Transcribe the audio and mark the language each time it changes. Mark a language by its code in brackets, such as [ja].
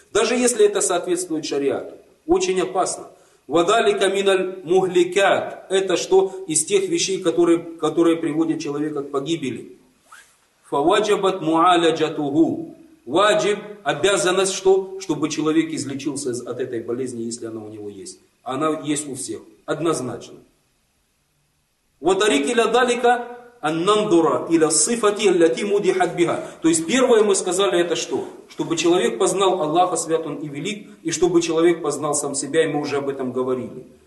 [ru] Даже если это соответствует шариату. Очень опасно. [ar] Вадалика миналь мухликят. [ru] Это что? Из тех вещей, которые приводят человека к погибели. [ar] Фаваджабат муаляджатугу. [ru] Ваджиб, обязанность что? Чтобы человек излечился от этой болезни, если она у него есть. Она есть у всех. Однозначно. [ar] وطريق إلى ذلك أن ننظر إلى الصفة التي مدحت بها. [ru] То есть первое мы сказали это что? Чтобы человек познал Аллаха, свят он и велик, и чтобы человек познал сам себя, и мы уже об этом говорили.